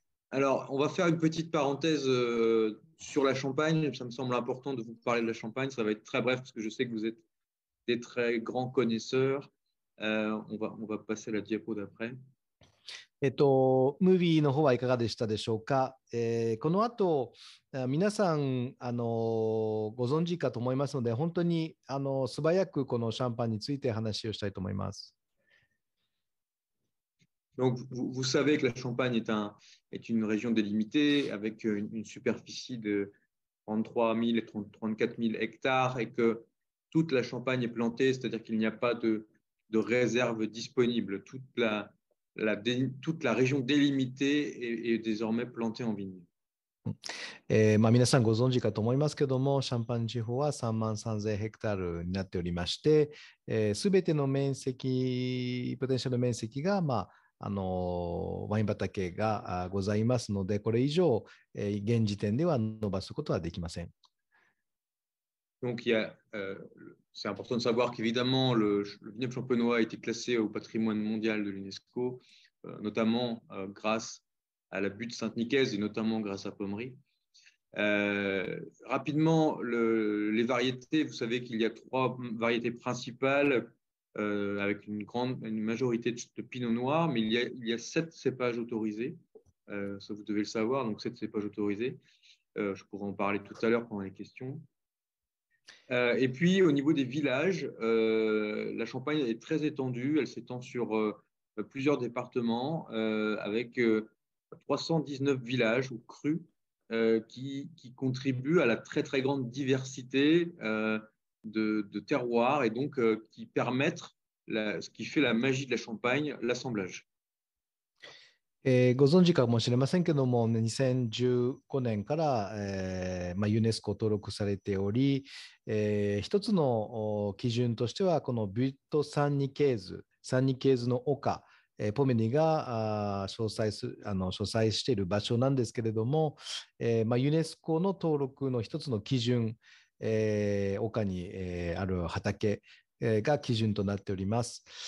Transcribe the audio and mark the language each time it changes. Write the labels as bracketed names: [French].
[French] Alors, on va faire une petite parenthèse sur la Champagne. Ça me semble important de vous parler de la Champagne. Ça va être très bref parce que je sais que vous êtes des très grands connaisseurs. On va passer à la diapo d'après. [Japanese] ムービーの方はいかがでしたでしょうか。この後皆さんご存知かと思いますので、本当に素早くこのシャンパンについて話をしたいと思います。 [French] Donc, vous savez que la Champagne est, est une région délimitée avec une superficie de 33 000 et 34 000 hectares et que toute la Champagne est plantée, c'est-à-dire qu'il n'y a pas de, de réserve disponible. Toute la région délimitée est, est désormais plantée en vigne. [Japanese] まあ、皆さんご存知かと思いますけども、シャンパン地方は3万3000ヘクタールになっておりまして、すべての面積、ポテンシャル面積が、まあワイン畑がございますので、これ以上現時点では伸ばすことはできません。 [French] Donc il y a, c'est important de savoir qu'évidemment le, le vignoble champenois a été classé au patrimoine mondial de l'UNESCO, notamment grâce à la butte Sainte-Nicaise et notamment grâce à Pommery. Rapidement, le, les variétés, vous savez qu'il y a trois variétés principales. Avec une grande une majorité de pinot noir, mais il y a sept cépages autorisés. Ça, vous devez le savoir, donc sept cépages autorisés. Je pourrais en parler tout à l'heure pendant les questions. Et puis, au niveau des villages, la Champagne est très étendue. Elle s'étend sur plusieurs départements avec 319 villages ou crus qui contribuent à la très, très grande diversité de terroir et donc qui permettre la, ce qui fait la magie de la Champagne, l'assemblage. [Japanese] ご存知かもしれませんけども、2015年から、まあ、ユネスコ登録されており、一つの基準としてはこのビュットサンニケーズ、サンニケーズの丘、ポメニが詳細している場所なんですけれども、まあ、ユネスコの登録の一つの基準、丘に、ある畑、が基準となっております。